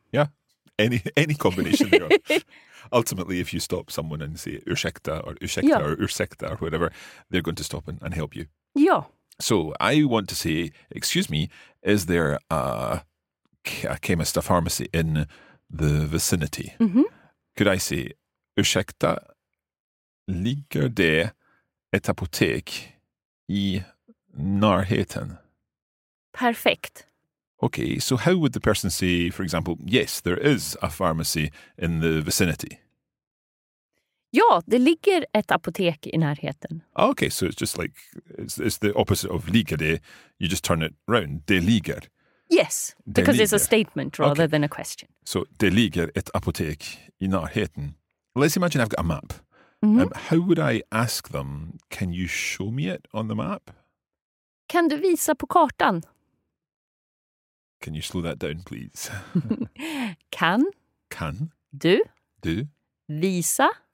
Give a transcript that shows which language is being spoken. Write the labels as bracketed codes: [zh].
[en] Yeah. Any combination thereof. Ultimately, if you stop someone and say ursäkta or ursäkta or ursäkta or whatever, they're going to stop and help you. Yeah. So I want to say, excuse me, is there a chemist, a pharmacy in the vicinity? Mm-hmm. Could I say [sv] ursäkta, ligger det ett apotek I närheten? [en] Perfect. Okay, so how would the person say, for example, yes, there is a pharmacy in the vicinity? [sv] Ja, det ligger ett apotek I närheten. [en] Okay, so it's just like, it's the opposite of [sv] ligger det. [en] You just turn it round. [sv] Det ligger. [en] Yes, because it's a statement rather than a question. [sv] So, det ligger ett apotek I närheten. [en] Let's imagine I've got a map. Mm-hmm. How would I ask them, can you show me it on the map? [sv] Kan du visa på kartan? [en] Can you slow that down, please? [sv] Kan du visa